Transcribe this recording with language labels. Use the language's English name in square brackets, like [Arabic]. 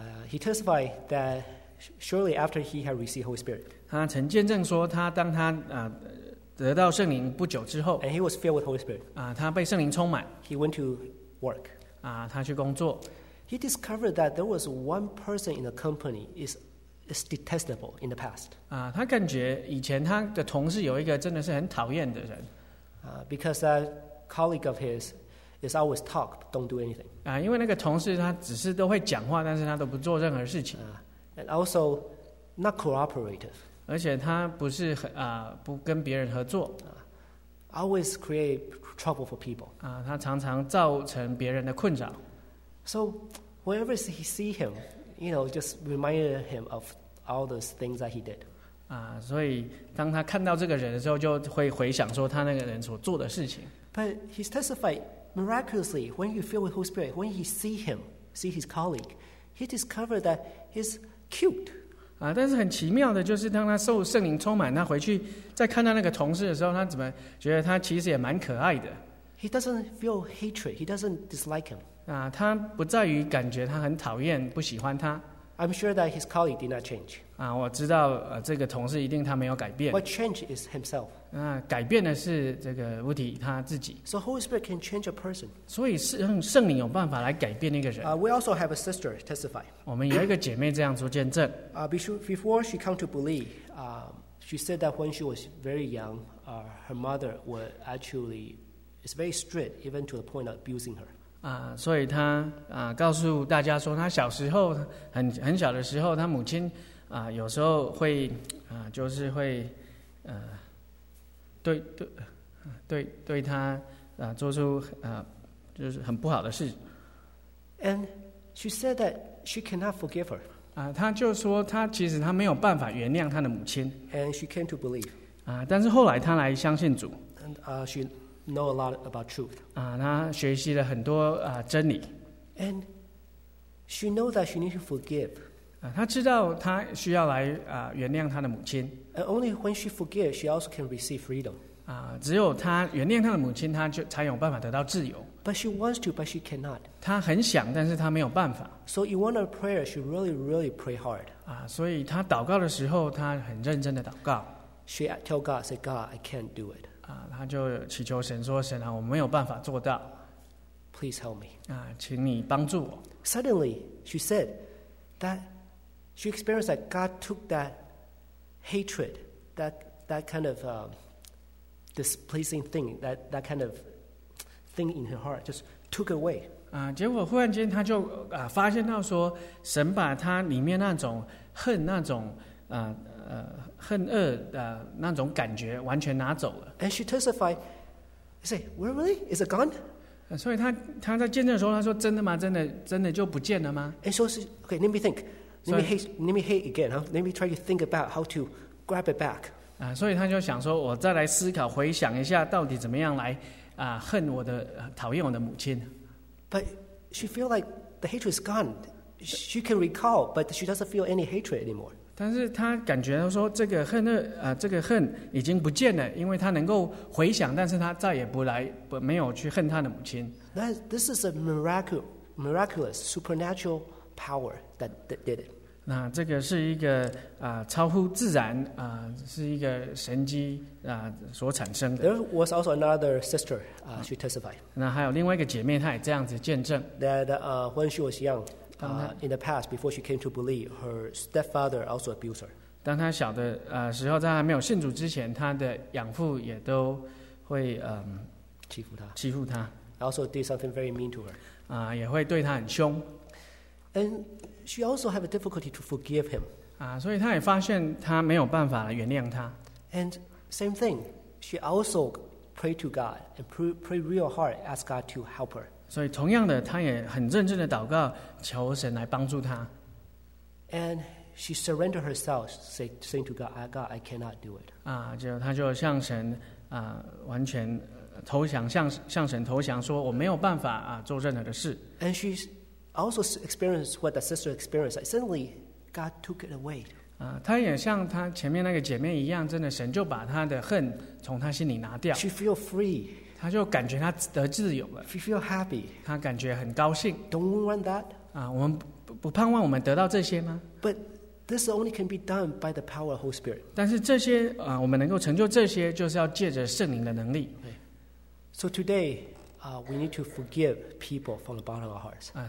[English] He testified that shortly after he had received Holy Spirit. [Chinese] 他曾见证说，他当他得到圣灵不久之后， [English] And he was filled with Holy Spirit. [Chinese] 他被圣灵充满。 [English] He went to work. [Chinese] 他去工作。 [English] He discovered that there was one person in the company is detestable in the past. [Chinese] 他感觉以前他的同事有一个真的是很讨厌的人。 [English] Because that colleague of his is always talk, don't do anything. [Chinese] 因为那个同事他只是都会讲话，但是他都不做任何事情。 [English] And also not cooperative. [Chinese] 而且他不是不跟别人合作。 [English] always create trouble for people. [Chinese] 他常常造成别人的困扰。 [English] So wherever he see him, you know, just reminded him of all those things that he did. [Chinese] 所以当他看到这个人的时候，就会回想说他那个人所做的事情。 [English] But he testified miraculously when you feel with Holy Spirit, when he see him, see his colleague, he discovered that he's cute. [Chinese] 但是很奇妙的就是当他受圣灵充满，他回去再看到那个同事的时候，他怎么觉得他其实也蛮可爱的。 [English] He doesn't feel hatred. He doesn't dislike him. [Chinese] 他不在于感觉他很讨厌，不喜欢他。 [English] I'm sure that his colleague did not change. [Chinese] 我知道这个同事一定他没有改变。 [English] What changed is himself. [Chinese] 改变的是这个物体他自己。 [English] So Holy Spirit can change a person. [Chinese] 所以圣灵有办法来改变那个人。 [English] We also have a sister testify. [Chinese] 我们有一个姐妹这样做见证。 [English] Before she come to believe, she said that when she was very young, her mother was actually is very strict, even to the point of abusing her. [Chinese] 所以他告诉大家说，他小时候很小的时候，他母亲有时候会就是会对他做出就是很不好的事。 [English] And she said that she cannot forgive her. [Chinese] 他就说他其实他没有办法原谅他的母亲。 [English] And she came to believe. [Chinese] 但是后来他来相信主。 [English] And she know a lot about truth. [Chinese] 他学习了很多真理。 [English] And she know that she need to forgive. [Chinese] 他知道他需要来原谅他的母亲。 [English] And only when she forgive, she also can receive freedom. [Chinese] 只有他原谅他的母亲，他就才有办法得到自由。 [English] But she wants to, but she cannot. [Chinese] 他很想，但是他没有办法。 [English] So you want a prayer, she really, really pray hard. [Chinese] 所以他祷告的时候，他很认真的祷告。 [English] She tell God, say, God, I can't do it. [Chinese] 他就祈求神说，神啊，我没有办法做到。 [English] Please help me. [Chinese] 请你帮助我。 [English] Suddenly, she said that she experienced that God took that hatred, that kind of displeasing thing, that kind of thing in her heart, just took away. [Chinese] 结果忽然间他就发现到说，神把他里面那种恨那种恨恶的那种感觉完全拿走了。 [English] And she testified, "Say, really? Is it gone?" [Chinese] 所以他在见证的时候，他说："真的吗？真的就不见了吗？" [English] And so she, okay, let me think. Let me hate again. Huh? Let me try to think about how to grab it back. [Chinese] 所以他就想说，我再来思考，回想一下，到底怎么样来恨我的讨厌我的母亲。 [English] But she feel like the hatred is gone. She can recall, but she doesn't feel any hatred anymore. [Chinese] 但是他感觉说这个恨这个恨已经不见了，因为他能够回想，但是他再也不来，没有去恨他的母亲。 [English] This is a miraculous supernatural power that did it. [Chinese] 那这个是一个超乎自然是一个神迹所产生的。 [English] There was also another sister she testified. [Chinese] 那还有另外一个姐妹，她也这样子见证。 [English] That when she was young. In the past, before she came to believe, her stepfather also abused her. [Chinese] 当她小的时候，在还没有信主之前，她的养父也都会欺负她。 [English] Also did something very mean to her. [Chinese] 也会对她很凶。 [English] And she also have a difficulty to forgive him. [Chinese] 所以她也发现她没有办法原谅他。 [English] And same thing, she also pray to God and pray real hard, ask God to help her. [Chinese] 所以同样的，他也很认真的祷告，求神来帮助他。 [English] And she surrendered herself, saying to God, "God, I cannot do it." [Chinese] 他就向神完全投降，向神投降，说我没有办法做任何的事。 [English] And she also experienced what the sister experienced. Suddenly, God took it away. [Chinese] 他也像他前面那个姐妹一样，真的神就把他的恨从他心里拿掉。 [English] She feel free. [Chinese] 他就感觉他得自由了。 [English] She feel happy. [Chinese] 他感觉很高兴。 [English] Don't we want that? [Chinese] 我们不盼望我们得到这些吗 [English] ？But this only can be done by the power of Holy Spirit. [Chinese] 但是这些我们能够成就这些，就是要借着圣灵的能力。 [English] So today, we need to forgive people from the bottom of our hearts.